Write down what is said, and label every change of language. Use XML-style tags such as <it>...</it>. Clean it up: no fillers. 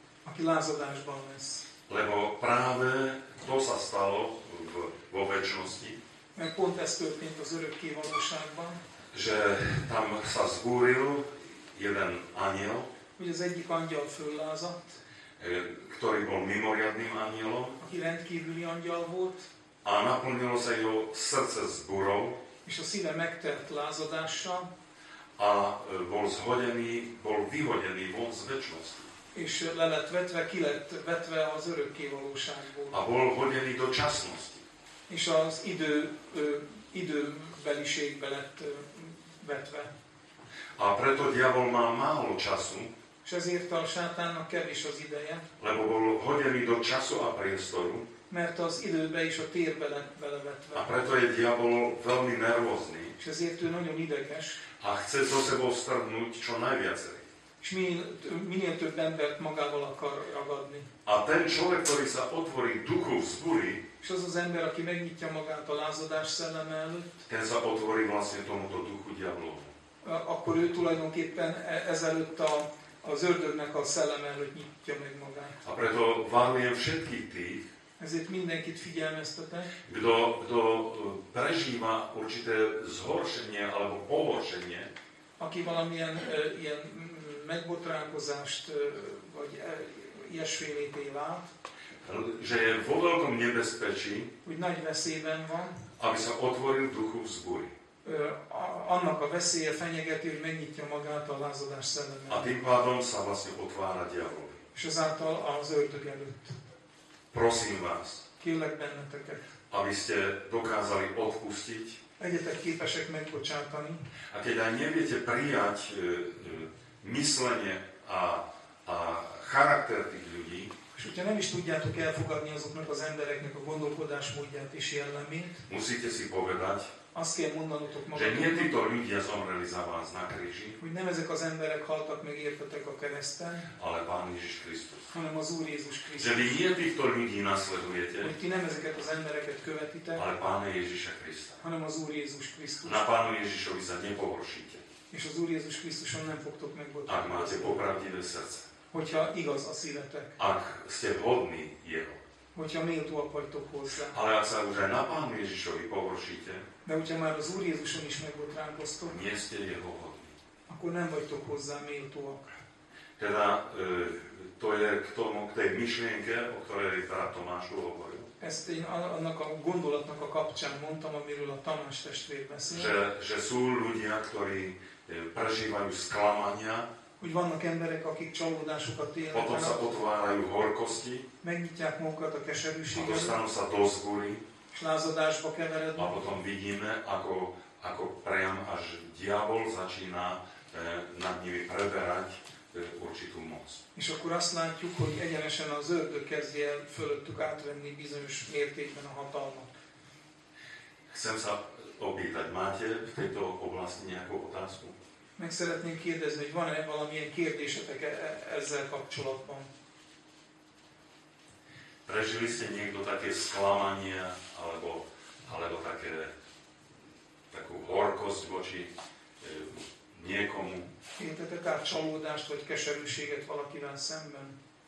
<hu>Aki lázadásban lesz.</hu> <sk>Lebo práve to sa stalo vo večnosti.</sk> <hu>Mert pont ez történt az örökké valóságban.</hu> <sk>Že tam sa zbúril jeden anjel.</sk> <hu>Hogy az egyik angyal föllázadt.</hu> <sk>Ktorý bol mimoriadným anjelom.</sk> <hu>Aki rendkívüli angyal volt.</hu> <sk>A naplnilo sa jeho srdce zbúrou.</sk> <hu>És a szíve megtelt lázadással.</hu> <sk>A bol zhodený, bol vyhodený von z večnosti.</sk> <hu>És le lett vetve, ki lett vetve az örökké valóságból.</hu> <sk>A bol hodený do časnosti.</sk> <hu>És az időbeliségbe lett vetve.</hu> <sk>A preto diabol mal málo času.</sk> <hu>És ezért a sátánnak kevés az ideje.</hu> <sk>Lebo bol hodený do času a priestoru.</sk> <hu>Mert az időbe és a térbe lett belevetve.</hu> <sk>A preto je diabol veľmi nervózny.</sk> <hu>És ezért ő nagyon ideges.</hu> <sk>A chce zo sebou strhnúť čo najviacej.</sk> <hu>És minél több embert magával akar ragadni.</hu> <sk>A ten človek, ktorý sa otvorí duchu vzbúri.</sk> <hu>És az az ember, aki megnyitja magát a lázadás szelleme előtt.</hu> <sk>Ten sa otvorí vlastne tomuto duchu diablovu.</sk> <hu>Akkor ő tulajdonképpen ezelőtt az ördögnek a szelleme előtt nyitja meg magát.</hu> <sk>A preto várujem všetkých tých,</sk> <hu>ezért mindenkit figyelmeztetek.</hu> <sk>Kto prežíva určité zhoršenie alebo pohoršenie.</sk> <hu>Aki valamilyen ilyen megbotránkozást, vagy ilyesfélépé vált.</hu> <sk>Že je vo veľkom nebezpečí.</sk> <hu>Hogy nagy veszélyben van.</hu> <sk>Aby sa otvoril duchu vzbúri.</sk> <hu>Annak a veszélye fenyegeti, hogy megnyitja magát a lázadás szellemében.</hu> <sk>A tým pádom sa vlastne otvára diabol.</sk> <hu>És azáltal az ördög előtt.</hu> <sk>Prosím vás,</sk> <hu>kérlek benneteket,</hu> <sk>aby ste dokázali odpustiť.</sk> <hu>Legyetek képesek megbocsátani.</hu> <sk>A keď aj neviete prijať myslenie a charakter tých ľudí,</sk> <hu>és hogyha nem is tudjátok elfogadni azoknak az embereknek a gondolkodásmódját és jellemét,</hu> <sk>musíte si povedať,</sk> <hu>azt kell mondanotok magatoknak,</hu> <sk>že nie títo ľudia zomreli za vás na kríži,</sk> <hu>hogy nem ezek az emberek haltak meg értetek a kereszten,</hu> <sk>ale Pán Ježiš Krisztus,</sk> <hu>hanem az Úr Jézus Krisztus,</hu> <sk>že vy nie týchto ľudí nasledujete,</sk> <hu>hogy ti nem ezeket az embereket követitek,</hu> <sk>ale Pána Ježiša Krista,</sk> <hu>hanem az Úr Jézus Krisztus,</hu> <sk>na Pánu Ježišovi sa nepohoršíte,</sk> <hu>és az Úr Jézus Krisztuson nem fogtok megbotránkozni,</hu> <sk>ak máte popravdivé srdce,</sk> <hu>hogyha igaz a szívetek,</hu> <sk>ak ste hodní jeho,</sk> <hu>hogyha méltóak vagytok hozzá.</hu> <sk>Ale ak sa už aj na Pánu Ježišovi pohoršíte,</sk> <hu>de hogyha már az Úr Jézuson is meg volt ránk osztott,</hu> <sk>nie ste jeho hodni.</sk> <hu>Akkor nem vagytok hozzá méltóak.</hu> <sk>Teda to je k tomu, k tej myšlienke, o ktorej brat Tomáš hovoril.</sk> <hu>Ezt én annak a gondolatnak a kapcsán mondtam, amiről a Tamás testvér beszél.</hu> <sk>Že sú ľudia, ktorí prežívajú sklamania,</sk> <hu>hogy vannak emberek, akik csalódásokat élnek.</hu> <sk>Potom sa potvárajú horkosti.</sk> <hu>Megnyitják magukat a keserűségre.</hu> <sk>A dostanú sa dozgúri.</sk> <hu>És lázadásba keverednek.</hu> <sk>A potom vidíme, ako priam až diabol začína nad nimi preberať určitú moc.</sk> <hu>És akkor azt látjuk, hogy egyenesen az ördög kezdje el fölöttük átvenni bizonyos mértékben a hatalmat.</hu> <sk>Chcem sa opýtať, máte v tejto oblasti nejakú otázku?</sk> <hu>Meg szeretném kérdezni, hogy van-e valamilyen kérdésetek ezzel kapcsolatban?</hu> <sk>Prežili ste niekto také sklamanie, alebo také, takú horkosť voči niekomu?</sk> <hu>Kértetek át csalódást vagy keserűséget valakivel szemben?</hu>